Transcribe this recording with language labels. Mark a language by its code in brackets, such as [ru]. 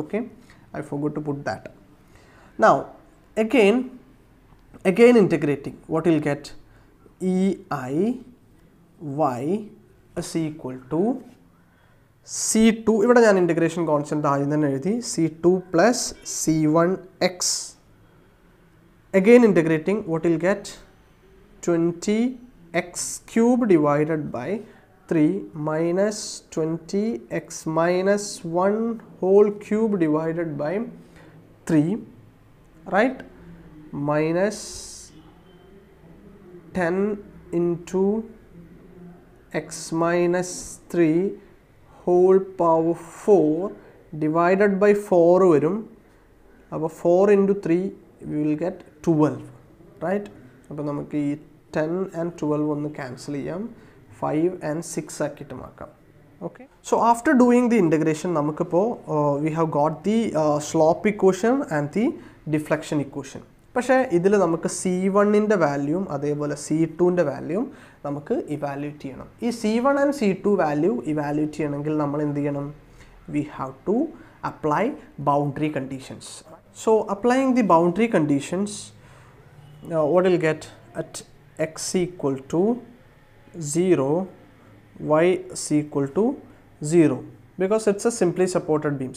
[en] Okay, I forget to put that. Now again integrating what will get, E I y is equal to C2. [ml] ഇവിടെ ഞാൻ integration constant ആദ്യം തന്നെ എഴുതി, C2 plus C1x. [en] Again integrating, what you'll get, 20x cube divided by 3 minus 20x minus 1 whole cube divided by 3, right, minus 10 into x minus 3 whole power 4 divided by 4 [ml] വരും. [en] അപ്പോൾ 4 into 3 we will get 12, right? [ml] അപ്പോൾ നമുക്ക് ഈ 10 and 12 ഒന്ന് cancel ചെയ്യാം, 5 and 6 ആക്കിയിട്ട് മാക്കാം. [en] okay, so after doing the integration [ml] നമുക്കിപ്പോൾ [en] We have got the slope equation and the deflection equation. [ml] പക്ഷേ ഇതിൽ നമുക്ക് C1 വാല്യൂം അതേപോലെ C2 വാല്യൂം നമുക്ക് ഇവാലുവേറ്റ് ചെയ്യണം. ഈ C1 and C2 value evaluate ചെയ്യണമെങ്കിൽ നമ്മൾ എന്ത് ചെയ്യണം, [en] We have to apply boundary conditions. So applying the boundary conditions, what you'll get, at x equal to 0, y is equal to 0, because it's a simply supported beam.